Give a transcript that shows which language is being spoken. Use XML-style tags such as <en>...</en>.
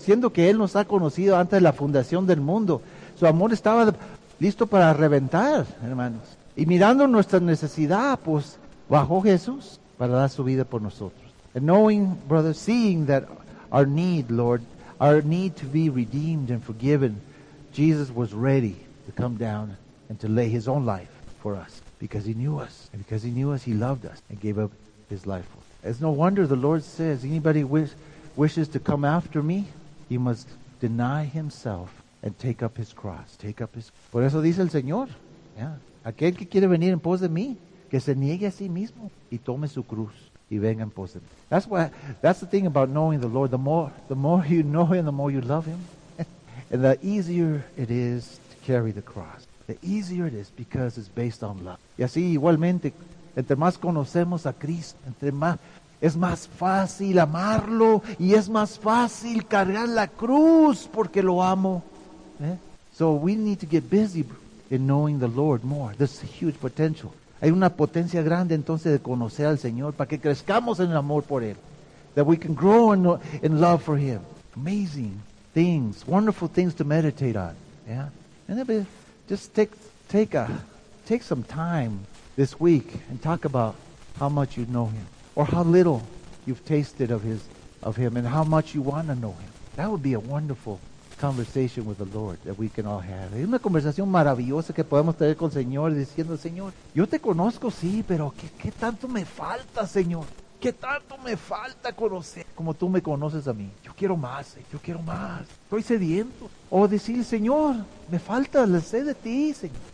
<es>Siendo que Él nos ha conocido antes de la fundación del mundo. Su amor estaba listo para reventar, hermanos. Y mirando nuestra necesidad, pues, bajó Jesús para dar su vida por nosotros.</es> <en>And knowing, brother, seeing that our need, Lord, our need to be redeemed and forgiven, Jesus was ready to come down and to lay His own life for us. Because He knew us. And because He knew us, He loved us and gave up His life for us. It's no wonder the Lord says, anybody wishes to come after Me, he must deny himself and take up his cross. Take up his...</en> <es>Por eso dice el Señor. Yeah. Aquel que quiere venir en pos de mí, que se niegue a sí mismo y tome su cruz y venga en pos de mí.</es> <en>That's why, that's the thing about knowing the Lord. The more you know Him, the more you love Him. And the easier it is to carry the cross. The easier it is because it's based on love.</en> <es>Y así igualmente, entre más conocemos a Cristo, entre más, es más fácil amarlo y es más fácil cargar la cruz porque lo amo. ¿Eh?</es> <en>So we need to get busy in knowing the Lord more. There's a huge potential.</en> <es>Hay una potencia grande entonces de conocer al Señor para que crezcamos en el amor por Él.</es> <en>That we can grow in love for Him. Amazing things, wonderful things to meditate on. Yeah? And maybe just take some time this week and talk about how much you know Him. Or how little you've tasted of Him and how much you want to know Him. That would be a wonderful conversation with the Lord that we can all have.</en> <es>Es una conversación maravillosa que podemos tener con el Señor diciendo, Señor, yo te conozco, sí, pero ¿qué tanto me falta, Señor? ¿Qué tanto me falta conocer como tú me conoces a mí? Yo quiero más, yo quiero más. Estoy sediento. O decir, Señor, me falta la sed de ti, Señor.</es>